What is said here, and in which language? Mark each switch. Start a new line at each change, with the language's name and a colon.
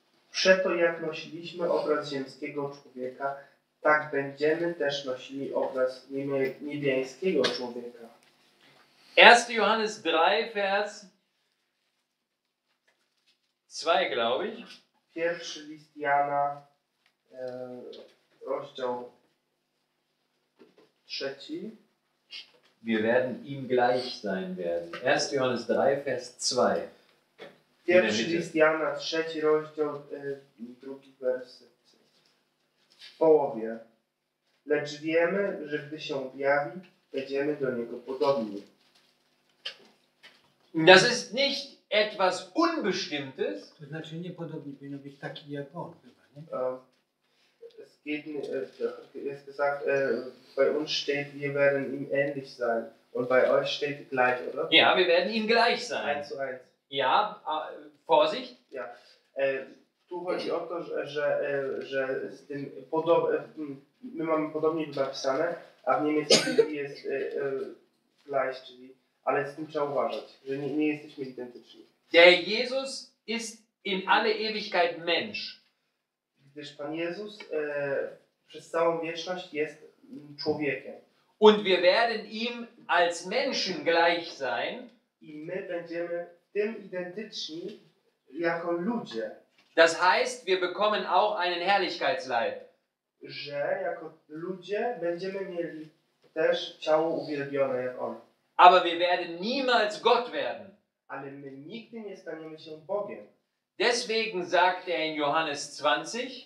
Polish: Przeto jak nosiliśmy obraz ziemskiego człowieka, tak będziemy też nosili obraz niebiańskiego człowieka.
German: 1 Johannes 3, Vers 2, glaube ich.
Polish: Pierwszy list Jana, rozdział 3.
German: Wir werden ihm gleich sein werden. 1 Johannes 3, Vers 2.
Polish: Pierwszy list Jana, 3 rozdział, 2 werset. W połowie. Lecz wiemy, że gdy się objawi, będziemy do niego podobni.
German: Das ist nicht etwas Unbestimmtes.
Polish: To znaczy nie podobni, powinno być taki jak on chyba, nie?
German: Es geht jest gesagt, bei uns steht, wir werden ihm ähnlich sein. Und bei euch steht gleich, oder? Ja, wir werden ihm gleich sein. 1:1. Ja, Vorsicht. Ja.
Polish: Tu chodzi o to, że z tym my mamy podobnie napisane, a w niemieckim jest gleich, czyli, ale z tym trzeba uważać, że nie jesteśmy identyczni.
German: Der Jesus ist in alle Ewigkeit Mensch.
Polish: Gdyż Pan Jezus przez całą wieczność jest człowiekiem.
German: Und wir werden ihm als Menschen gleich sein.
Polish: I my będziemy tym identyczni jako ludzie.
German: Das heißt, wir bekommen auch einen Herrlichkeitsleib.
Polish: Że jako ludzie będziemy mieli też ciało uwielbione jak on.
German: Aber wir werden niemals Gott werden.
Polish: Ale my nigdy nie staniemy się Bogiem.
German: Deswegen sagt in Johannes 20,